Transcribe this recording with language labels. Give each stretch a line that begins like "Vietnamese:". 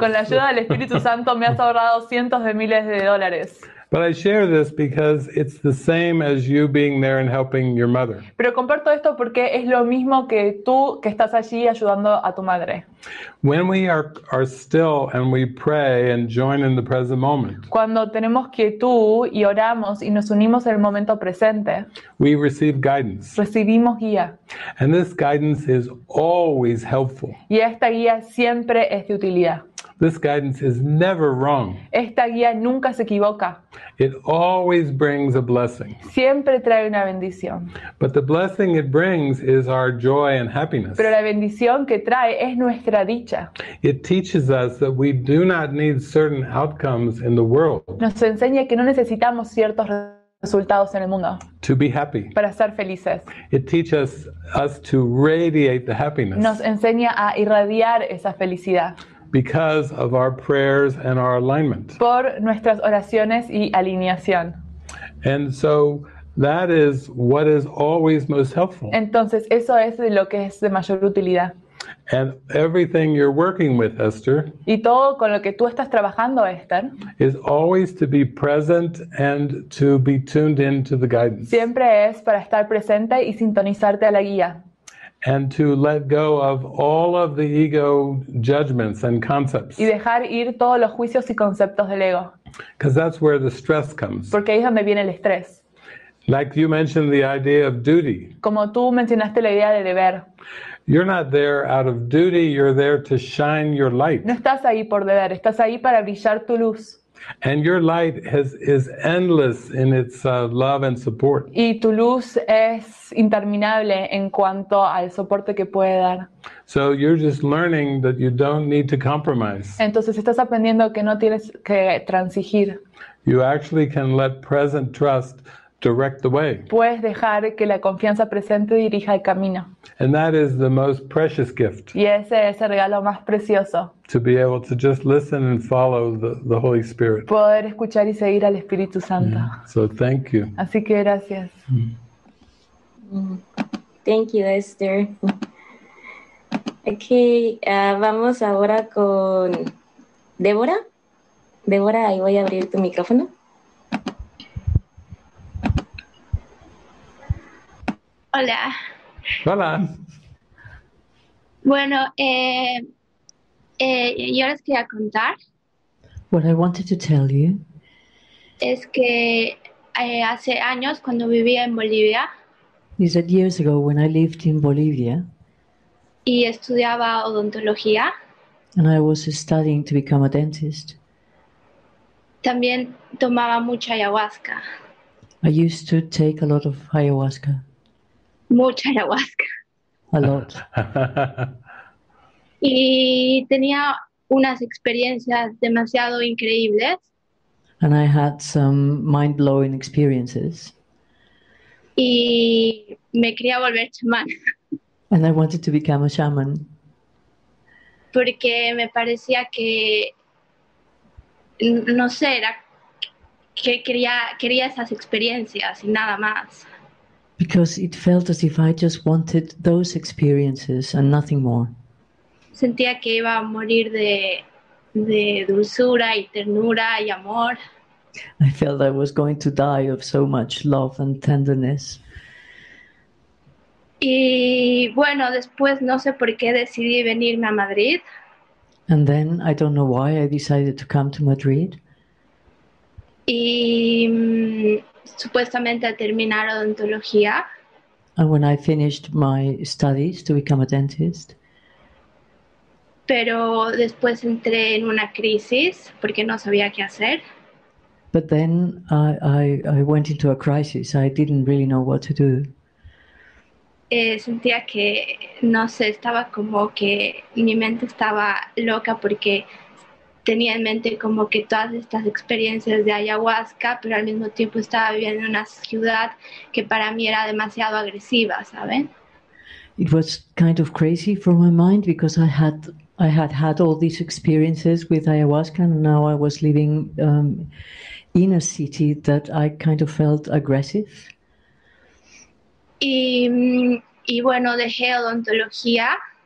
Spanish: Con la ayuda del Espíritu Santo me has ahorrado cientos de miles de dólares.
English: But I share this because it's the same as you being there and helping your mother.
Spanish: Pero comparto esto porque es lo mismo que tú que estás allí ayudando a tu madre.
English: When we are still and we pray and join in the present moment.
Spanish: Cuando tenemos quietud y oramos y nos unimos en el momento presente.
English: We receive guidance.
Spanish: Recibimos guía.
English: And this guidance is always helpful.
Spanish: Y esta guía siempre es de utilidad.
English: This guidance is never wrong.
Spanish: Esta guía nunca se equivoca.
English: It always brings a blessing.
Spanish: Siempre trae una bendición.
English: But the blessing it brings is our joy and happiness.
Spanish: Pero la bendición que trae es nuestra dicha.
English: It teaches us that we do not need certain outcomes in the world.
Spanish: Nos enseña que no necesitamos ciertos resultados en el mundo.
English: To be happy.
Spanish: Para ser felices.
English: It teaches us to radiate the happiness.
Spanish: Nos enseña a irradiar esa felicidad.
English: Because of our prayers and our alignment.
Spanish: Por nuestras oraciones y alineación.
English: And so that is what is always most helpful.
Spanish: Entonces eso es lo que es de mayor utilidad.
English: And everything you're working with, Esther.
Spanish: Y todo con lo que tú estás trabajando, Esther.
English: Is always to be present and to be tuned into the guidance.
Spanish: Siempre es para estar presente y sintonizarte a la guía.
English: And to let go of all of the ego judgments and concepts.
Spanish: Y dejar ir todos los juicios y conceptos del ego.
English: Because that's where the stress comes.
Spanish: Porque ahí es donde viene el estrés.
English: Like you mentioned the idea of duty.
Spanish: Como tú mencionaste la idea de deber.
English: You're not there out of duty, you're there to shine your light.
Spanish: No estás ahí por deber, estás ahí para brillar tu luz.
English: And your light is endless in its love and support.
Spanish: Y tu luz es interminable en cuanto al soporte que puede dar.
English: So you're just learning that you don't need to compromise.
Spanish: Entonces estás aprendiendo que no tienes que transigir.
English: You actually can let present trust direct the way.
Spanish: Puedes dejar que la confianza presente dirija el camino.
English: And that is the most precious gift.
Spanish: Y ese es el regalo más precioso.
English: To be able to just listen and follow the Holy Spirit.
Spanish: Poder escuchar y seguir al Espíritu Santo.
English: Yeah. So thank you.
Spanish: Así que gracias.
English: Thank you, Esther. Okay,
Spanish: vamos ahora con Débora. Débora, ahí voy a abrir tu micrófono. Hola. Hola. Bueno, yo les quería contar.
English: What I wanted to tell you.
Spanish: Es que hace años cuando vivía en Bolivia.
English: Is that years ago when I lived in Bolivia.
Spanish: Y estudiaba odontología.
English: And I was studying to become a dentist.
Spanish: También tomaba mucha ayahuasca.
English: I used to take a lot of ayahuasca.
Spanish: Mucha ayahuasca.
English: A lot.
Spanish: Y tenía unas experiencias demasiado increíbles.
English: And I had some mind-blowing experiences.
Spanish: Y me quería volver chamán.
English: And I wanted to become a shaman.
Spanish: Porque me parecía que, no sé, era que quería esas experiencias y nada más.
English: Because it felt as if I just wanted those experiences and nothing more.
Spanish: Sentía que iba a morir de dulzura y ternura y amor.
English: I felt I was going to die of so much love and tenderness.
Spanish: Y bueno, después no sé por qué decidí venirme a Madrid.
English: And then I don't know why I decided to come to Madrid.
Spanish: Y supuestamente a terminar odontología.
English: And when I finished my studies to become a dentist.
Spanish: Pero después entré en una crisis porque no sabía qué hacer.
English: But then I went into a crisis. I didn't really know what to do.
Spanish: Sentía que, no sé, estaba como que mi mente estaba loca porque tenía en mente como que todas estas experiencias de ayahuasca, pero al mismo tiempo estaba viviendo en una ciudad que para mí era demasiado agresiva, ¿saben?
English: It was kind of crazy for my mind because I had all these experiences with ayahuasca and now I was living in a city that I kind of felt aggressive.
Spanish: Y bueno, dejé odontología.